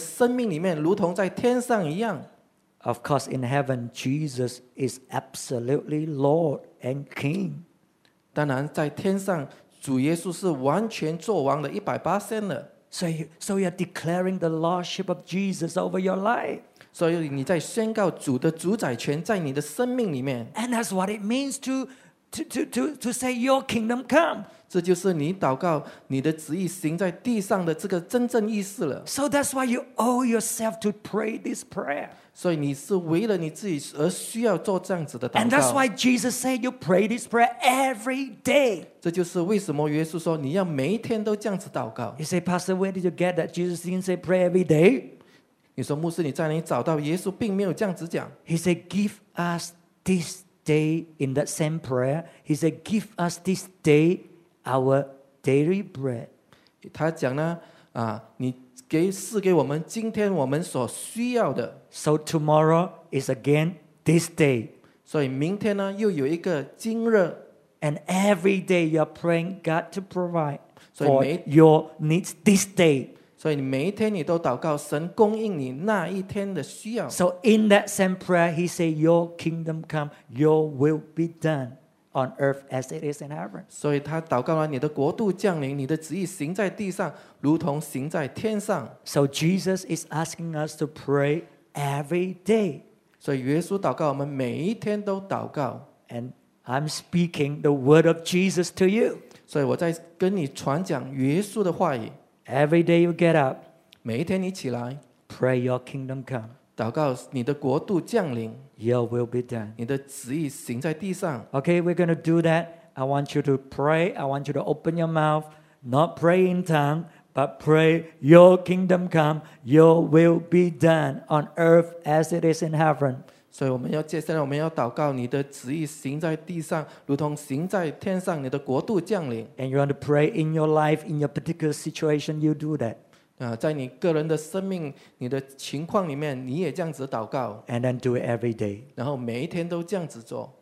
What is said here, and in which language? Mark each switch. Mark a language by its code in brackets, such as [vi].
[zh] 所以你要宣告神的旨意行在你的生命里面，如同在天上一样。 [en] Of course, in heaven, Jesus is absolutely Lord and King. [zh] 当然，在天上，主耶稣是完全作王的100%的。 [en] So you're declaring the lordship of Jesus over your life. [zh] 所以你在宣告主的主宰权在你的生命里面。 [en] And that's what it means to say your kingdom come. [zh] 这就是你祷告你的旨意行在地上的这个真正意思了。 [en] So that's why you owe yourself to pray this prayer. [zh] 所以你是为了你自己而需要做这样子的祷告。 [en] And that's why Jesus said you pray this prayer every day. [zh] 这就是为什么耶稣说你要每一天都这样子祷告。 [en] You say, Pastor, where did you get that? Jesus didn't say pray every day. [zh] 你说牧师你在哪里找到耶稣并没有这样子讲。 [en] He said, give us this day in that same prayer. He said, give us this day our daily bread. [zh] 他讲呢，啊，你给赐给我们今天我们所需要的。 [en] So tomorrow is again this day. [zh] 所以明天呢又有一个今日。 [en] And every day you're praying God to provide for your needs this day. [zh] 所以每一天你都祷告神供应你那一天的需要。 [en] So in that same prayer, he said, "Your kingdom come, your will be done on earth as it is in heaven." [zh] 所以他祷告了，你的国度降临，你的旨意行在地上，如同行在天上。 [en] So Jesus is asking us to pray every day. [zh] 所以耶稣祷告，我们每一天都祷告。 [en] And I'm speaking the word of Jesus to you. [zh] 所以我在跟你传讲耶稣的话语。 [en] Every day you get up, [zh] 每一天你起来 [en] pray your kingdom come. [zh] 祷告你的国度降临。 [en] Your will be done. [zh] 你的旨意行在地上。 [en] Okay, we're going to do that. I want you to pray. I want you to open your mouth. Not pray in tongue, but pray your kingdom come. Your will be done on earth as it is in heaven. [zh] 所以我们要接下来我们要祷告你的旨意行在地上如同行在天上你的国度降临。 [en] And you want to pray in your life, in your particular situation, you do that. [zh] 在你个人的生命你的情况里面你也这样子祷告。 [en] And then do it every day. [zh] 然后每一天都这样子做。